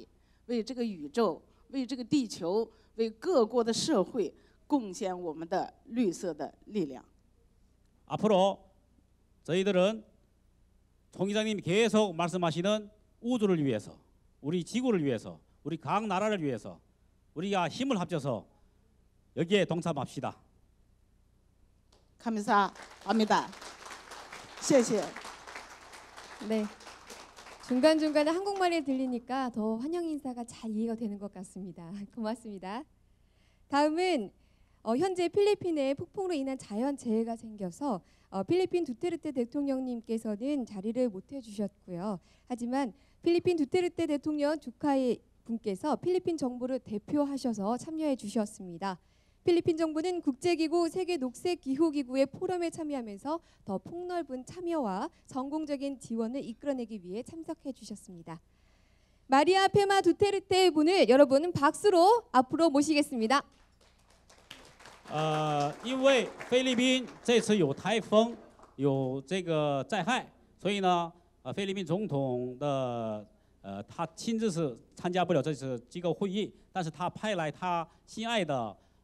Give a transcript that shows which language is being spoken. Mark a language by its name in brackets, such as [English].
[Chinese] 让我们这个组织和组织一起为这个宇宙，总议长总是在谈宇宙的问题，为这个宇宙。为这个地球，为各国的社会贡献我们的绿色的力量。 [Korean] 앞으로 저희들은 총회장님이 계속 말씀하시는 우주를 위해서, 우리 지구를 위해서, 우리 각 나라를 위해서 우리가 힘을 합쳐서 여기에 동참합시다. 감사합니다. [Chinese] 谢谢. [Korean] 네. 중간중간에 한국말이 들리니까 더 환영 인사가 잘 이해가 되는 것 같습니다. 고맙습니다. 다음은 현재 필리핀에 폭풍으로 인한 자연재해가 생겨서 필리핀 두테르테 대통령님께서는 자리를 못해주셨고요. 하지만 필리핀 두테르테 대통령 조카의 분께서 필리핀 정부를 대표하셔서 참여해 주셨습니다. 필리핀 정부는 국제기구 세계녹색기후기구의 포럼에 참여하면서 더 폭넓은 참여와 성공적인 지원을 이끌어내기 위해 참석해 주셨습니다. 마리아 페마 두테르테 분을 여러분 박수로 앞으로 모시겠습니다. [Chinese] 因为菲律宾这次有台风，有这个灾害，所以呢，菲律宾总统他亲自是参加不了这次这个会议，但是他派来他心爱的。